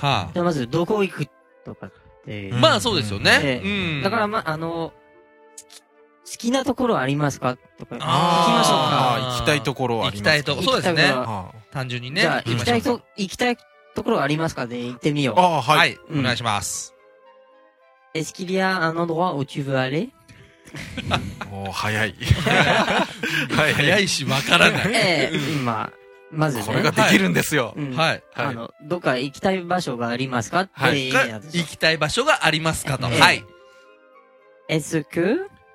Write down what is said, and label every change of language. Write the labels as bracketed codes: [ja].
[ja] あ、じゃあまずどこ行くとかっていう、うん、まあそうですよね、うん、だからまあの好きなところありますかとか、あ、行きましょうか、行きたいところありますか、行きたいところ、そうですね、はあ、単純にね、じゃあ行きたいと、行きたいところありますかで、ね、行ってみよう。ああ、はい、うん、お願いします。 [fr] Est-ce qu'il y a un endroit où tu veux aller？ [ja] おー、早い。早いし、わからない。まあ、まずね、これができるんですよ、はい、うん、はい、あの、どっか行きたい場所がありますかって、はい、か行きたい場所がありますかと、はい、 [fr] Est-ce que